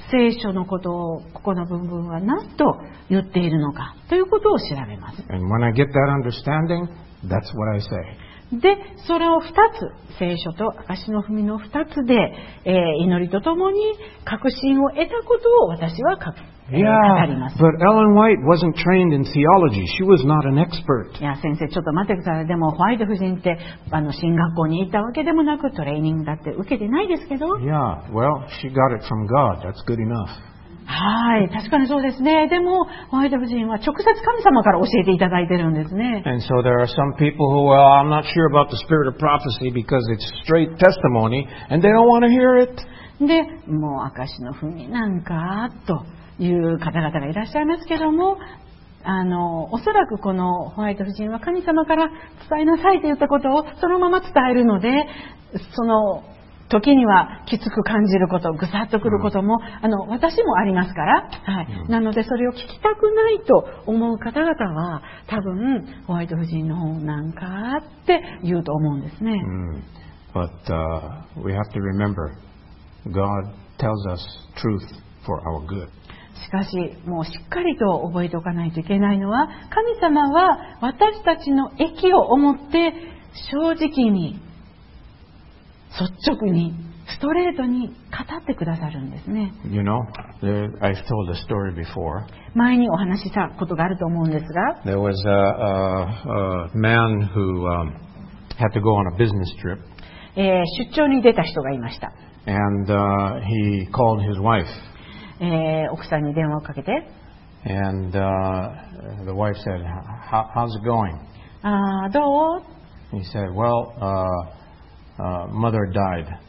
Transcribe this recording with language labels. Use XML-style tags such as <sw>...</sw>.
<ja>この、はい、聖書のことをここの部分は何と言っているのかということを調べます。</ja> <en>And when I get that understanding, that's what I say.</en> <ja>で、それを2つ、聖書と証の文の2つで、祈りとともに確信を得たことを私は語ります。</ja> <en>But Ellen White wasn't trained in theology. She was not an expert.</en> <ja>いや、先生、ちょっと待ってください。でも、ホワイト夫人って、神学校に行ったわけでもなく、トレーニングだって受けてないですけど。</ja> <en>Yeah, well, she got it from God. That's good enough.</en> <ja>はい、確かにそうですね。でもホワイト夫人は直接神様から教えていただいてるんですね。</ja> <en>And so there are some people who, well, I'm not sure about the spirit of prophecy because it's straight testimony and they don't want to hear it.</en> <ja>で、もう証の文なんかという方々がいらっしゃいますけども、おそらくこのホワイト夫人は神様から伝えなさいと言ったことをそのまま伝えるので、その時にはきつく感じること、ぐさっとくることも、私もありますから、はい、なのでそれを聞きたくないと思う方々は多分ホワイト夫人の方なんかって言うと思うんですね。</ja> <en>But we have to remember, God tells us truth for our good.</en> <ja>しかし、もうしっかりと覚えておかないといけないのは、神様は私たちの益を思って正直に率直にストレートに語ってくださるんですね。</ja> <en>You know, I've told a story before.</en> <ja>前にお話ししたことがあると思うんですが、</ja> <en>There was a man who had to go on a business trip.</en> <ja>出張に出た人がいました。</ja> <en>And he called his wife.</en> <ja>奥さんに電話をかけて、</ja> <en>And the wife said, "How's it going?"</en> <ja>どう？</ja> <en>He said, "Well." Mother died.</en>